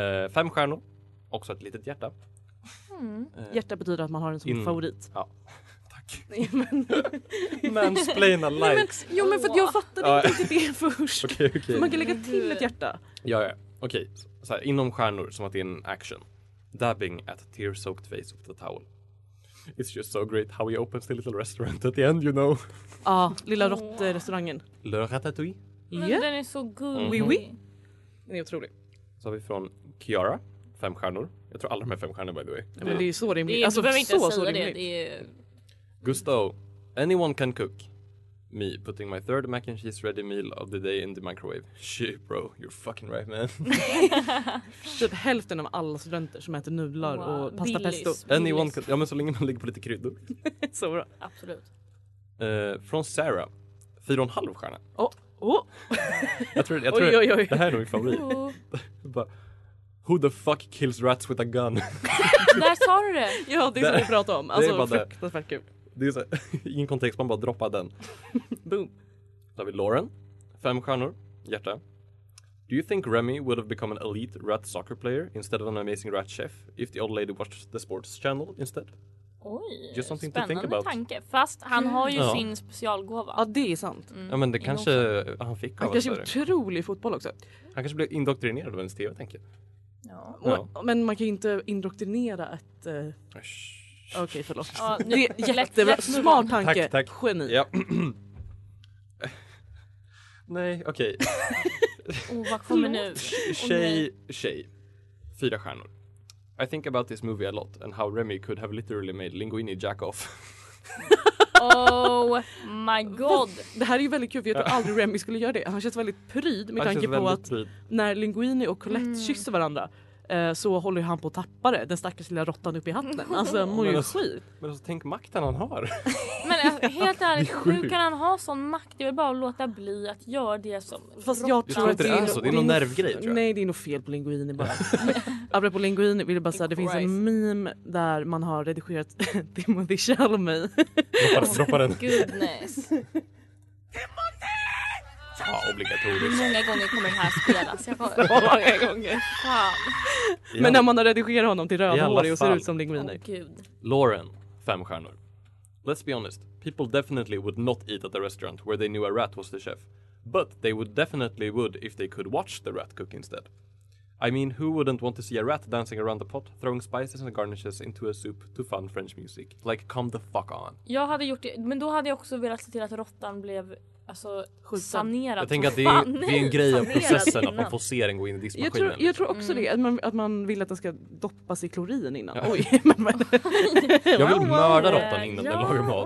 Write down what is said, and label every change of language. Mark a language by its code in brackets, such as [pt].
[sv] 5 stjärnor. Också ett litet hjärta. Hjärta betyder att man har en som favorit. Ja. [en] Mansplain a like. [sv] Jo, men för att jag fattade inte det först. [en] Okay. [sv] Så man kan lägga till ett hjärta. Ja. Okej. Okay. Såhär, inom stjärnor, som att det är en action. [en] Dabbing at tear-soaked face of the towel. It's just so great how he opens the little restaurant at the end, you know. [sv] Ja, lilla rotterrestaurangen. [fr] Le Ratatouille. [en] Yeah. [sv] Den är så gullig. Mm-hmm. [fr] Oui, oui. [sv] Den är otrolig. Så har vi från Kiara. 5 stjärnor. Jag tror alla de är 5 stjärnor, [en] by the way. [sv] Ja, men det är ju så rimligt. Alltså, behöver inte säga det. Det är... [en] Gusto, anyone can cook. Me, putting my third mac and cheese ready meal of the day in the microwave. Shit, bro, you're fucking right, man. [sv] Typ hälften av alla studenter som äter nudlar och pasta Billis. Pesto. Anyone can, ja, men så länge man ligger på lite kryddor. Så bra. Absolut. Från Sarah, 4,5 stjärna. Oh. jag tror oj. Det här är nog min favorit. [en] Who the fuck kills rats with a gun? [sv] Där sa du det. Ja, det är som vi pratade om. Alltså, fruktansvärt kul. Det är så här, ingen kontext, man bara droppar den. Boom. Då har vi Lauren. 5 stjärnor. Hjärta. [en] Do you think Remy would have become an elite rat soccer player instead of an amazing rat chef if the old lady watched the sports channel instead? [sv] Oj, [en] just something [sv] spännande [en] to think about. [sv] Tanke. Fast han har ju sin specialgåva. Ja, det är sant. Mm. Ja, men det kanske han fick av. Han kanske är otrolig fotboll också. Han kanske blev indoktrinerad av en TV, tänker jag. Ja. Men man kan ju inte indoktrinera ett... Okej, förlåt. Ja, det är jättebra. Smart tanke. Tack. Geni. Ja. Nej, okej. Oh, vad kommer nu? Tjej. 4 stjärnor. [en] I think about this movie a lot and how Remy could have literally made Linguini jack off. Oh my god. [sv] Det här är ju väldigt kul, för jag tror aldrig Remy skulle göra det. Han känns väldigt pryd med tanke på att när Linguini och Colette kysser varandra så håller ju han på att tappa det. Den stackars lilla råttan upp i hatten. Alltså, han mår ju skit. Men alltså, tänk makten han har. Men helt ärligt, hur kan han ha sån makt? Det är bara att låta bli att göra det som fast jag tror att det är så. Alltså, det är någon nervgrej, tror jag. Nej, det är nog fel på Linguini bara. Apropå Linguini vill jag bara säga, det finns en meme där man har redigerat Timothy Chalamet. Droppa den. [en] Goodness. [sv] Ja, obligatoriskt. Många gånger kommer det här spelas. Jag får... Många gånger. Men när man har redigerat honom till rödhårig och ser ut som Linguini. Oh, gud. Lauren, 5 stjärnor. [en] Let's be honest. People definitely would not eat at a restaurant where they knew a rat was the chef. But they would definitely would if they could watch the rat cook instead. I mean, who wouldn't want to see a rat dancing around the pot, throwing spices and garnishes into a soup to fun French music? Like, come the fuck on. [sv] Jag hade gjort det, men då hade jag också velat se till att råttan blev... Alltså, sanerat. Jag tänker att det är en grej av processen att man får se den gå in i diskmaskinen. Jag tror också det. Att man vill att den ska doppas i klorin innan. Ja. Oj. Men. Jag vill mörda råttan innan den lagar mat.